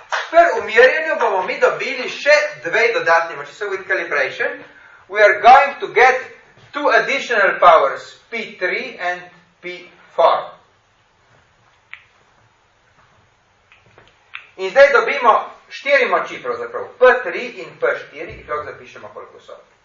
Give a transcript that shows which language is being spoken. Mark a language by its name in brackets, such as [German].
[Slovenian] Pri umirjenju bomo mi dobili še dve dodatne moči. [English] So with calibration, we are going to get two additional powers, P3 and P4. [Slovenian] In zdaj dobimo štiri moči, pravzaprav, P3 in P4, ki lahko zapišemo, koliko so.